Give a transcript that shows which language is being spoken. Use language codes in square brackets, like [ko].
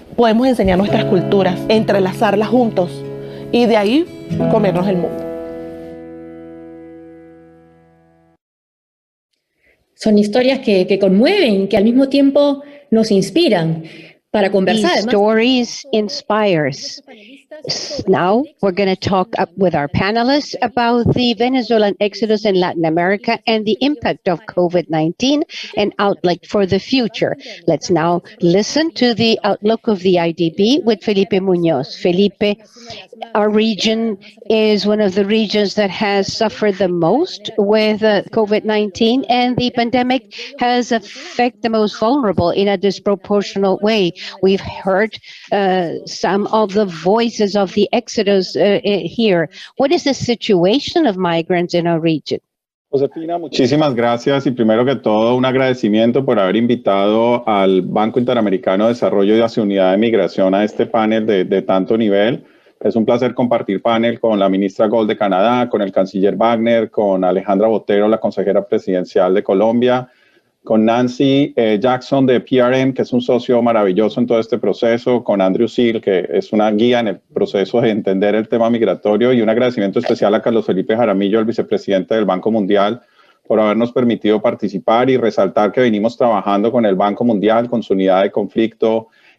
[es] Podemos enseñar nuestras culturas, entrelazarlas juntos y de ahí comernos el mundo. Son historias que conmueven, que al mismo tiempo nos inspiran para conversar. [en] These stories inspires. Now we're going to talk with our panelists about the Venezuelan exodus in Latin America and the impact of COVID-19 and outlook for the future. Let's now listen to the outlook of the IDB with Felipe Muñoz. Felipe, our region is one of the regions that has suffered the most with COVID-19, and the pandemic has affected the most vulnerable in a disproportional way. We've heard some of the voices of the exodus here. What is the situation of migrants in our region? [es] Josefina, muchísimas gracias. Y primero que todo, un agradecimiento por haber invitado al Banco Interamericano de Desarrollo y a su unidad de migración a este panel de tanto nivel. Es un placer compartir panel con la ministra Gold de Canadá, con el canciller Wagner, con Alejandra Botero, la consejera presidencial de Colombia, con Nancy Jackson de PRM, que es un socio maravilloso en todo este proceso, con Andrew Seal, que es una guía en el proceso de entender el tema migratorio, y un agradecimiento especial a Carlos Felipe Jaramillo, el vicepresidente del Banco Mundial, por habernos permitido participar y resaltar que venimos trabajando con el Banco Mundial, con su unidad de conflicto,